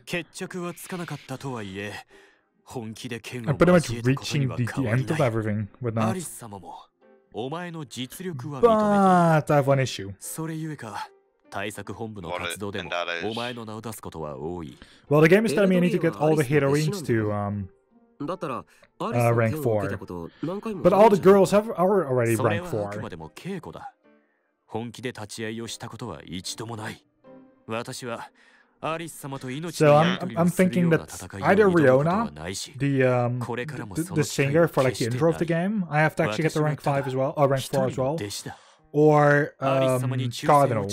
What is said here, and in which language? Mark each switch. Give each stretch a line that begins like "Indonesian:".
English: I'm pretty much reaching the end of everything with that. But I have one issue. What is it? And that is... Well, the game is telling me I need to get all the heroines to, rank 4. But all the girls are already rank 4.
Japanese: それはあくまでも稽古だ。本気で立ち合いをしたことは一度もない。
English: So I'm thinking that either Riona, the singer for like the intro of the game, I have to actually get the rank 5 as well, or rank 4 as well, or Cardinal, or both.